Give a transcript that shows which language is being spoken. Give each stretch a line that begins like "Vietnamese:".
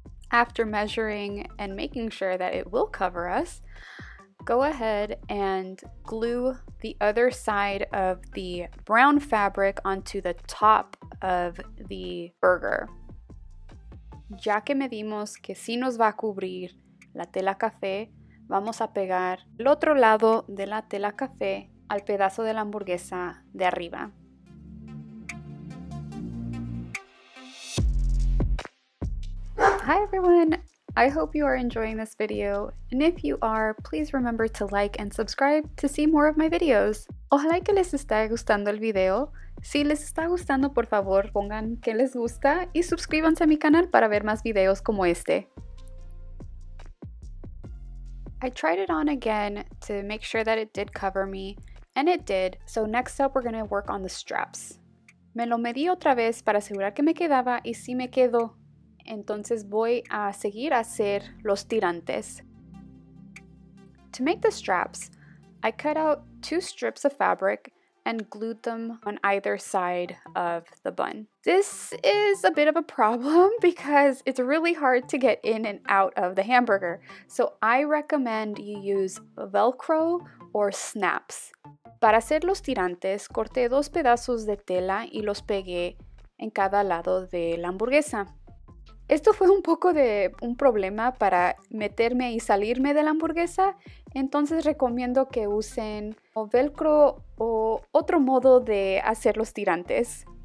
English: After measuring and making sure that it will cover us, go ahead and glue the other side of the brown fabric onto the top of the burger.
Spanish: Ya que medimos que sí nos va a cubrir la tela café, vamos a pegar el otro lado de la tela café al pedazo de la hamburguesa de arriba.
English: Hi everyone! I hope you are enjoying this video, and if you are, please remember to like and subscribe to see more of my videos.
Spanish: Ojalá que les esté gustando el video. Si les está gustando, por favor, pongan que les gusta y suscríbanse a mi canal para ver más videos como este.
English: I tried it on again to make sure that it did cover me, and it did. So next up, we're going to work on the straps.
Spanish: Me lo medí otra vez para asegurar que me quedaba y sí me quedó. Entonces voy a seguir a hacer los tirantes.
English: To make the straps, I cut out two strips of fabric and glued them on either side of the bun. This is a bit of a problem because it's really hard to get in and out of the hamburger. So I recommend you use Velcro or snaps.
Spanish: Para hacer los tirantes, corté dos pedazos de tela y los pegué en cada lado de la hamburguesa. Esto fue un poco de un problema para meterme y salirme de la hamburguesa, entonces recomiendo que usen o velcro o otro modo de hacer los tirantes.